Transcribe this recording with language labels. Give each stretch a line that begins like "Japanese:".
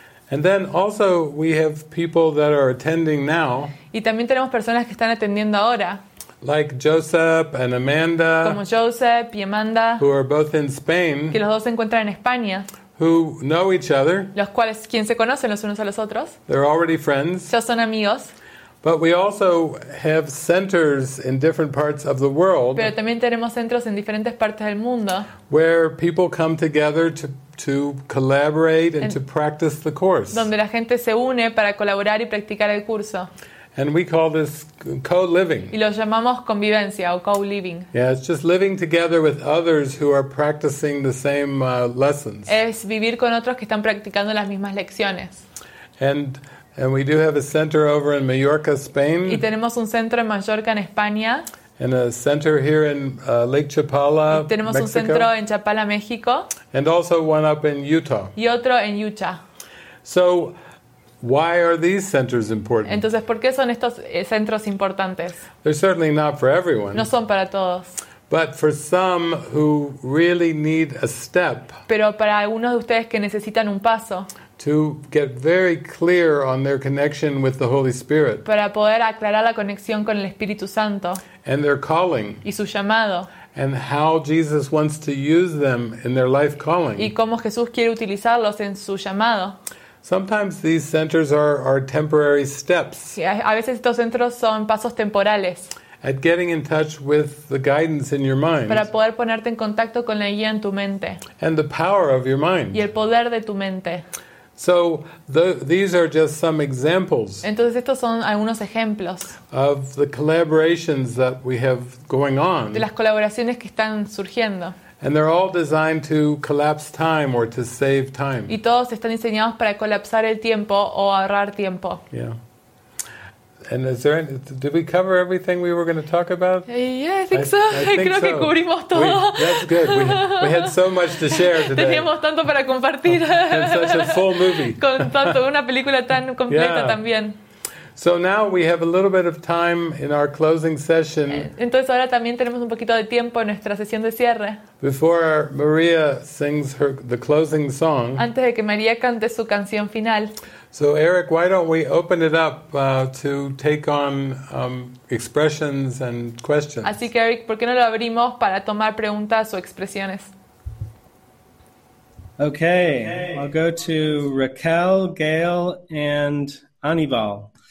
English: And then also we have people that are attending now.
Spanish: Y también tenemos personas que están atendiendo ahora.
English: Like Joseph and Amanda.
Spanish: Como Joseph y Amanda.
English: Who are both in Spain.
Spanish: Que los dos se encuentran en España.
English: Who know each other.
Spanish: Los cuales, quien se conocen los unos a los otros.
English: They're already friends.
Spanish: Ya son amigos.
English: But we also have centers in different parts of the world.
Spanish: Pero también tenemos centros en diferentes partes del mundo.
English: Where people come together to collaborate and to practice the course.
Spanish: Donde la gente se une para colaborar y practicar el curso.
English: And we call this co-living.
Spanish: Y lo llamamos convivencia o co-living.
English: Yeah, it's just living together with others who are practicing the same lessons.
Spanish: Es vivir con otros que están practicando las mismas lecciones.
English: And we do have a center over in Mallorca, Spain.
Spanish: Y tenemos un centro en Mallorca, en España.
English: And a center here in Lake Chapala,
Spanish: y tenemos
English: Mexico.
Spanish: Un centro en Chapala, México.
English: And also one up in Utah.
Spanish: Y otro en Utah.
English: So, why are these centers important?
Spanish: Entonces, ¿por qué son estos centros importantes?
English: They're certainly not for everyone.
Spanish: No son para todos.
English: But for some who really need a step.
Spanish: Pero para algunos de ustedes que necesitan un paso.
English: To get very clear on their connection with the Holy Spirit.
Spanish: Para poder aclarar la conexión con el Espíritu Santo.
English: And their calling.
Spanish: Y su llamado.
English: And how Jesus wants to use them in their life calling.
Spanish: Y cómo Jesús quiere utilizarlos en su llamado.
English: Sometimes these centers are temporary steps.
Spanish: A veces estos centros son pasos temporales.
English: At getting in touch with the guidance in your mind.
Spanish: Para poder ponerte en contacto con la guía en tu mente.
English: And the power of your mind.
Spanish: Y el poder de tu mente.
English: So these are just some examples.
Spanish: Entonces estos son algunos ejemplos.
English: Of the collaborations that we have going on.
Spanish: De las colaboraciones que están surgiendo.
English: And they're all designed to collapse time or to save time.
Spanish: Y todos están diseñados para colapsar el tiempo o ahorrar tiempo.
English: Yeah. And is there any, did we cover everything we were going to talk about? Yeah, I think so. I think
Spanish: que cubrimos todo.
English: That's good. We had so much to share today.
Spanish: Teníamos tanto para compartir.
English: And such a full movie.
Spanish: Con tanto, una película tan completa yeah. también.
English: So now we have a little bit of time in our closing session.
Spanish: Entonces ahora también tenemos un poquito de tiempo en nuestra sesión de cierre.
English: Before Maria sings the closing song.
Spanish: Antes de que María cante su canción final.
English: So Eric, why don't we open it up to take on expressions and questions?
Spanish: Así que Eric, ¿por qué no lo abrimos para tomar preguntas o expresiones?
English: Okay, I'll go to Raquel, Gail, and Aníbal.